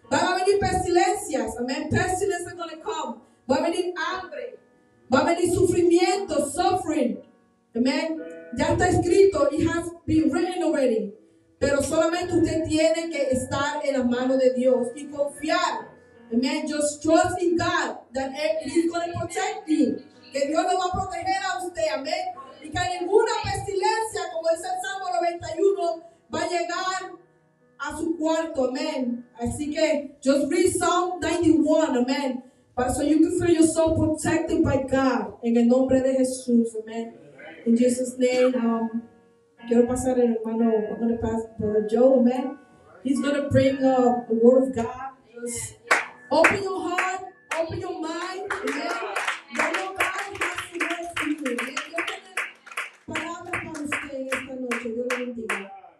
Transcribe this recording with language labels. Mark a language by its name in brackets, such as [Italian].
[Spanish] Va a venir pestilencias, amen. [English] Pestilence is going to come. [Spanish] Va a venir hambre. Va a venir sufrimiento, suffering. Amen. Ya está escrito. [English] It has been written already. [Spanish] Pero solamente usted tiene que estar en la mano de Dios y confiar. Amen. [English] Just trust in God that He's going to protect you. [Spanish] Que Dios lo va a proteger a usted, amen. Y que ninguna pestilencia, como dice el Salmo 91, va a llegar a su cuarto, amen. Así que, [English] just read Psalm 91, amen. But so you can feel yourself protected by God. [Spanish] En el nombre de Jesús, [English] amen. In Jesus' name, [Spanish] quiero pasar el hermano, [English] I'm going to pass Brother Joe, amen. He's going to bring the word of God. Just open your heart, open your mind, amen. Don't know God has to rest in you, amen. [Spanish] Yo tengo palabras para usted en esta noche, Dios lo bendiga.